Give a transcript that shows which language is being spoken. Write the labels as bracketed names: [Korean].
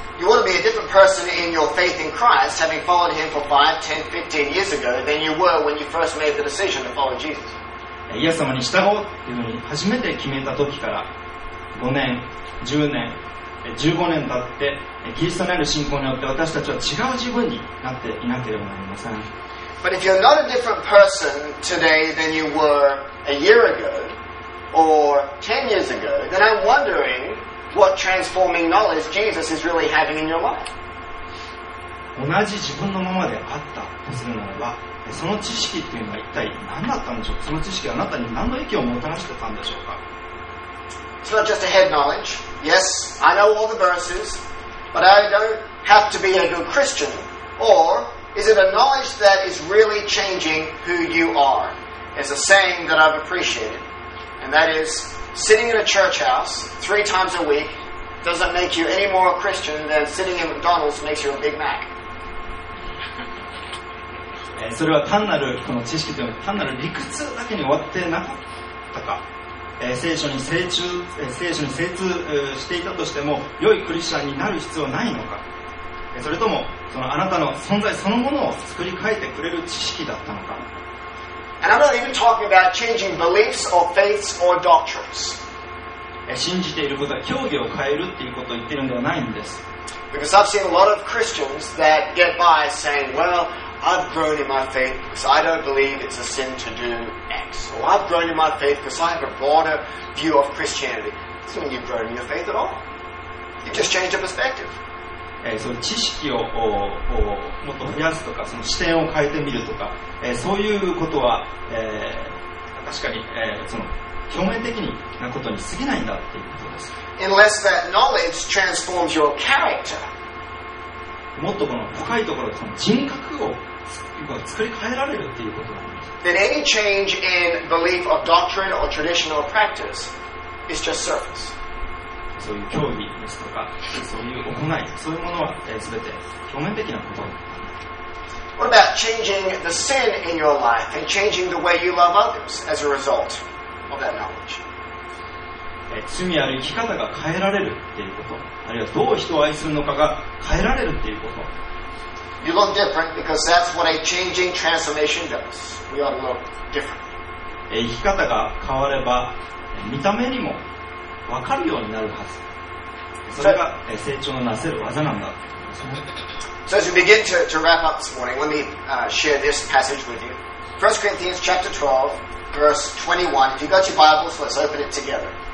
[English] You want to be a different person in your faith in Christ, having followed him for 5, 10, 15 years ago, than you were when you first made the decision to follow Jesus. [Japanese] イエス様に従おうというふうに初めて決めた時から、5年、10年、15年経ってキリストのある信仰によって私たちは違う自分になっていなければなりません。 [English] But if you're not a different person today than you were a year ago or 10 years ago, then I'm wondering what transforming knowledge Jesus is really having in your life. [Japanese] 同じ自分のままであったとするならば、その知識というのは一体何だったんでしょう。その知識はあなたに何の影響をもたらしてたんでしょうか。 [English] It's not just a head knowledge. Yes, I know all the verses, but I don't have to be a good Christian. Or is it a knowledge that is really changing who you are? There's a saying that I've appreciated, and that is, sitting in a church house three times a week doesn't make you any more a Christian than sitting in McDonald's makes you a Big Mac. [Japanese] それは単なるこの知識というのは単なる理屈だけに終わってなかったか。聖書に精通していたとしても良いクリスチャンになる必要はないのか、それともそのあなたの存在そのものを作り変えてくれる知識だったのか。 [English] And I'm not even talking about changing beliefs or faiths or doctrines. [Japanese] 信じていることは教義を変えるっていうことを言ってるんではないんです。 [English] Because I've seen a lot of Christians that get by saying, well,I've grown in my faith because I don't believe it's a sin to do X. Or I've grown in my faith because I have a broader view of Christianity. That's when you've grown in your faith at all. You've just changed your perspective. [Japanese] その知識をもっと増やすとか、その視点を変えてみるとか、そういうことは、確かに、その表面的なことに過ぎないんだっていうことです。 [English] Unless that knowledge transforms your character. [Japanese] もっとこの深いところ、その人格を作り変えられるっていうことなんです。 [English] Then any change in belief or doctrine or tradition or practice is just surface. [Japanese] そういう教義ですとか、そういう行い、そういうものは全て表面的なこと。 [English] What about changing the sin in your life and changing the way you love others as a result of that knowledge? [Japanese] 罪ある生き方が変えられるっていうこと、あるいはどう人を愛するのかが変えられるっていうこと。 [English] You look different because that's what a changing transformation does. We ought to look different. [Japanese] 生き方が変われば見た目にも分かるようになるはず。それが成長のなせる技なんだ。 [English] So as we begin to wrap up this morning, let me share this passage with you. 1 Corinthians chapter 12Verse 21. If you got your Bibles, let's open it together.